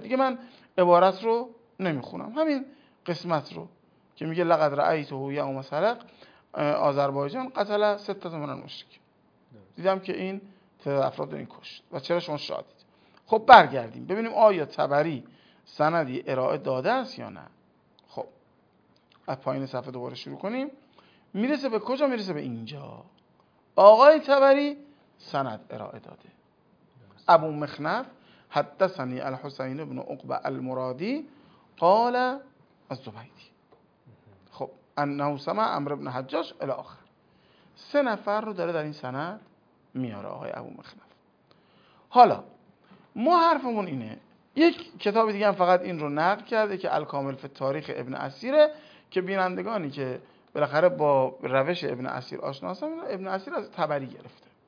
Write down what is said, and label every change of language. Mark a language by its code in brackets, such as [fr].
[fa] دیگه من عبارت رو نمیخونم، همین قسمت رو که میگه لقد رأیته یوم سلق آذربایجان قتل ستة من المشرکین، دیدم که این تعداد افراد رو این کشت و چرا شما شادید. خب برگردیم ببینیم آیا طبری سندی ارائه داده است یا نه. خب از پایین صفحه دوباره شروع کنیم، میرسه به کجا؟ میرسه به اینجا. آقای طبری سند ارائه داده. [ar] ابو مخنف حدثني الحسين بن عقبة المرادي قال الزبيدي. خب انه سمع عمرو بن حجاج الى آخر. [fa] سه نفر رو داره در این سند میاره آقای ابو مخنف. حالا ما حرفمون اینه، یک کتاب دیگه هم فقط این رو نقل کرده که الکامل فی تاریخ ابن اسیر، که بینندگانی که بالاخره با روش ابن اسیر آشنا هستن، ابن اسیر از طبری گرفته.